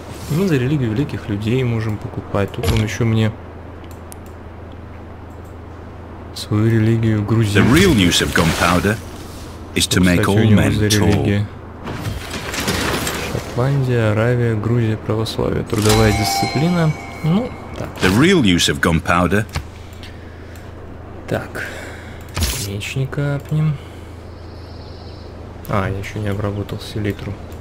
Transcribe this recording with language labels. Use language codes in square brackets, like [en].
[ru] Ну, за религию великих людей можем покупать. Тут он еще мне свою религию грузит. [en] The real use of gunpowder is to make all men tall. [ru] Шотландия, Аравия, Грузия, православие, трудовая дисциплина. Ну, так. [en] The real use of gunpowder. [ru] Так, мечника апнем. А, я еще не обработал селитру.